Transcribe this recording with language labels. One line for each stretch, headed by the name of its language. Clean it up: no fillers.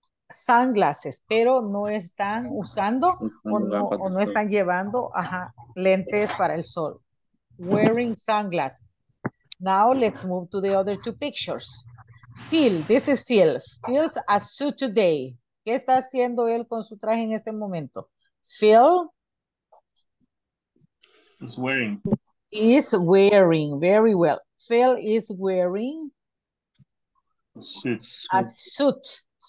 English: Sunglasses,
Spanish: pero no están usando o no están llevando lentes para el sol.
English: Wearing sunglasses. Now let's move to the other two pictures. Phil, this is Phil. Phil's a suit today.
Spanish: ¿Qué está haciendo él con su traje en este momento?
English: Phil is wearing. Is wearing, very well. Phil is wearing a suit.